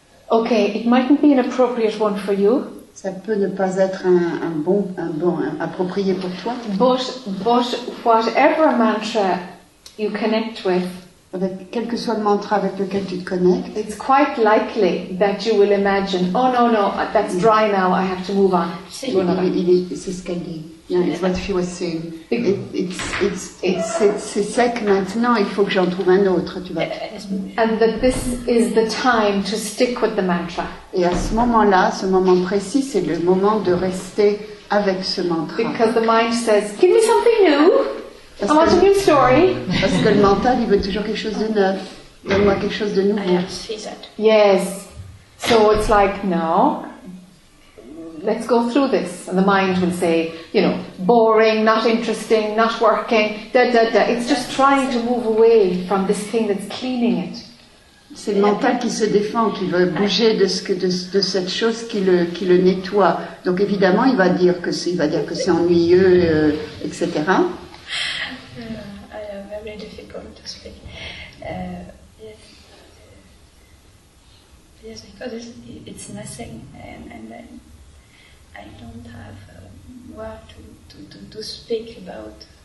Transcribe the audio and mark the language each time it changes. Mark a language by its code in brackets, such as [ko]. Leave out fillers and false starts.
[en] Okay, it mightn't be an appropriate one for you. [fr] Ça peut ne pas être un bon approprié pour toi. [en] But whatever mantra you connect with, [fr] quel que soit le mantra avec lequel tu te connectes, [en] it's quite likely that you will imagine, oh no, that's dry now, I have to move on. [fr] C'est ce qu'elle dit. [en] Yeah, it's what she was saying. [fr] C'est sec maintenant, il faut que j'en trouve un autre, tu vois. [en] And that this is the time to stick with the mantra. [fr] Et à ce moment-là, ce moment précis, c'est le moment de rester avec ce mantra. [en] Because the mind says, give me something new. I want a new story. [fr] Parce que le mental, il veut toujours quelque chose de neuf. Donne-moi quelque chose de nouveau. [en] I have to see that. Yes. So it's like, now, let's go through this. And the mind will say, you know, boring, not interesting, not working, da da da. It's just trying to move away from this thing that's cleaning it. [fr] C'est le mental qui se défend, qui veut bouger de, ce que, de cette chose qui le nettoie. Donc évidemment, il va dire que c'est, il va dire que c'est ennuyeux, etc. [en] I am very difficult to speak. Yes, because it's nothing, and I don't have word to speak about.